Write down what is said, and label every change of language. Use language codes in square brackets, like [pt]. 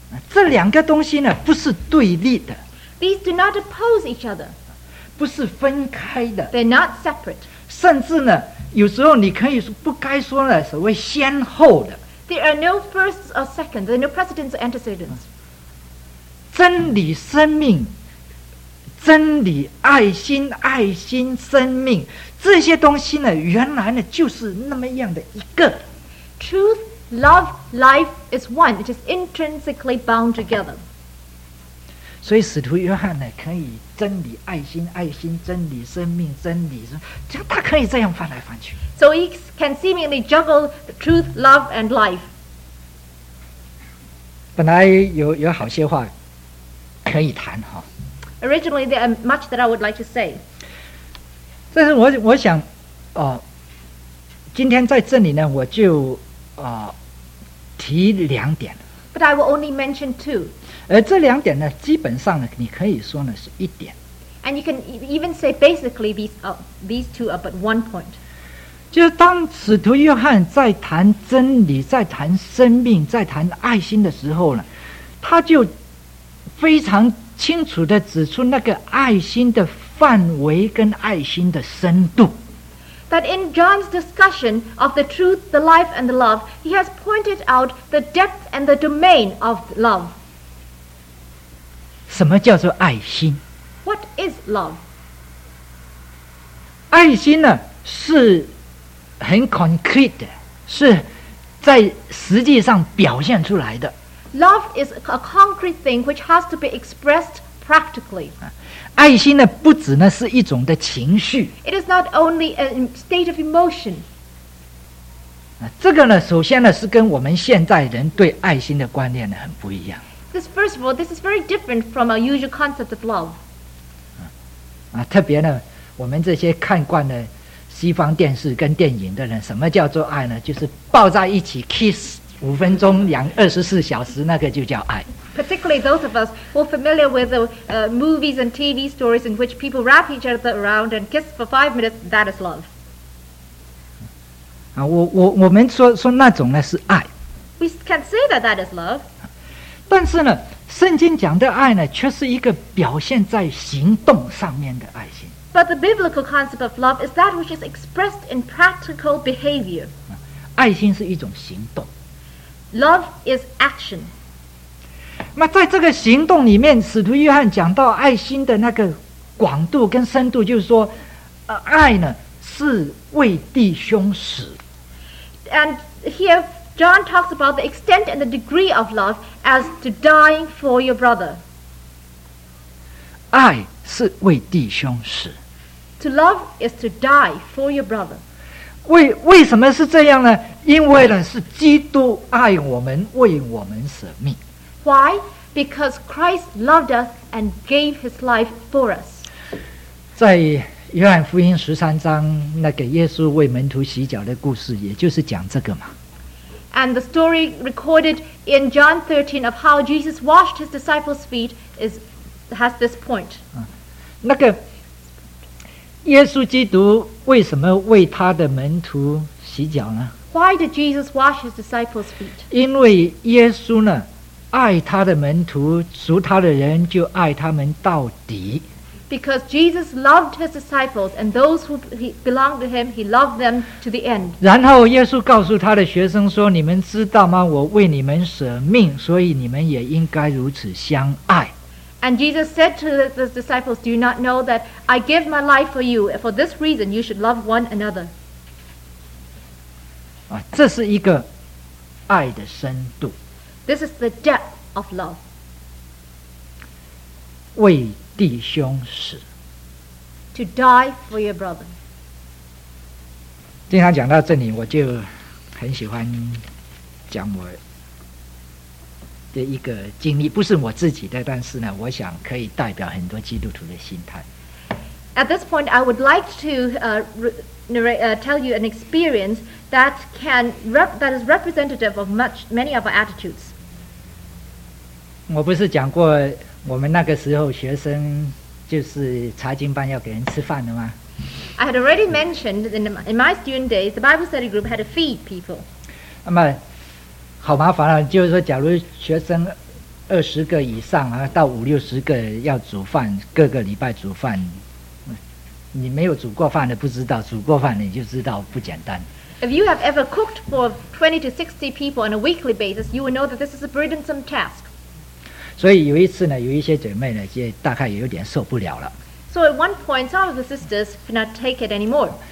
[zh] 这两个东西呢，不是对立的。 [en] These do not oppose each other. [zh] 不是分开的。 [en] They're not separate. [zh] 甚至呢，有时候你可以不该说呢，所谓先后的。 [en] There are no firsts or seconds. There are no precedents or antecedents. [zh] 真理生命，真理爱心，爱心生命，这些东西呢，原来呢就是那么样的一个。 [en] Truth, love, life is one. It is intrinsically bound together. [zh] 所以使徒约翰呢，可以真理爱心，爱心真理生命，真理生命，他可以这样翻来翻去。 [en] So he can seemingly juggle the truth, love, and life. [zh] 本来有好些话可以谈哈。 [en] Originally, there are much that I would like to say. [zh] 但是我想，今天在这里呢，我就提两点。 [en] But I will only mention two. [zh] 而这两点呢，基本上呢，你可以说呢是一点。 [en] And you can even say basically these two are but one point. [zh] 就是当使徒约翰在谈真理、在谈生命、在谈爱心的时候呢，他就非常清楚地指出那个爱心的范围跟爱心的深度。 [en] That in John's discussion of the truth, the life, and the love, he has pointed out the depth and the domain of love. [zh] 什么叫做爱心？ [en] What is love? [zh] 爱心呢，是很 concrete 的，是在实际上表现出来的。 [en] Love is a concrete thing which has to be expressed practically. [zh] 爱心呢，不只呢是一种的情绪。 [en] It is not only a state of emotion. [zh] 这个呢，首先呢是跟我们现在人对爱心的观念呢很不一样。 [en] This first of all, this is very different from our usual concept of love. [zh] 特别呢，我们这些看惯了西方电视跟电影的人，什么叫做爱呢？就是抱在一起 kiss。五分钟两二十四小时那个就叫爱。 [en] Particularly those of us who are familiar with the movies and TV stories in which people wrap each other around and kiss for 5 minutes, that is love. [zh] 我们 说那种呢是爱。 [en] We can say that that is love. [zh] 但是呢，圣经讲的爱呢，却是一个表现在行动上面的爱心。 [en] But the biblical concept of love is that which is expressed in practical behavior. [zh] 爱心是一种行动。 [en] Love is action. [zh] 那在这个行动里面，使徒约翰讲到爱心的那个广度跟深度，就是说，爱呢是为弟兄死。 [en] And here John talks about the extent and the degree of love as to dying for your brother. [zh] 爱是为弟兄死。 [en] To love is to die for your brother. [zh] 为什么是这样呢？因为呢，是基督爱我们，为我们舍命。 [en] Why? Because Christ loved us and gave His life for us. [zh] 在约翰福音十三章，那个耶稣为门徒洗脚的故事，也就是讲这个嘛。 [en] And the story recorded in John 13 of how Jesus washed His disciples' feet has this point. [zh] 那个耶稣基督为什么为他的门徒洗脚呢？ [en] Why did Jesus wash his disciples' feet? [zh] 因为耶稣呢，爱他的门徒，属他的人就爱他们到底。 [en] Because Jesus loved his disciples and those who belonged to him, he loved them to the end. [zh] 然后耶稣告诉他的学生说：“你们知道吗？我为你们舍命，所以你们也应该如此相爱。” [en] And Jesus said to the disciples, "Do you not know that I give my life for you? For this reason, you should love one another." [zh] 这是一个爱的深度。 [en] This is the depth of love. [zh] 为弟兄死。 [en] To die for your brother. [zh] 经常讲到这里，我就很喜欢讲我的一个经历，不是我自己的，但是呢，我想可以代表很多基督徒的心态。 [en] At this point, I would like to tell you an experience that is representative of many of our attitudes. [zh] 我不是讲过我们那个时候学生就是查经班要给人吃饭的吗？ [en] I had already mentioned that in my student days, the Bible study group had to feed people. [zh] 好麻烦啊，就是说，假如学生20个以上啊，到50、60个要煮饭，各个礼拜煮饭，你没有煮过饭的不知道，煮过饭你就知道不简单。 [en] If you have ever cooked for 20 to 60 people on a weekly basis, you will know that this is a burdensome task. [zh] 所以有一次呢，有一些姐妹呢，就大概也有点受不了了。 [en] So at one point, some of the sisters could not take it anymore.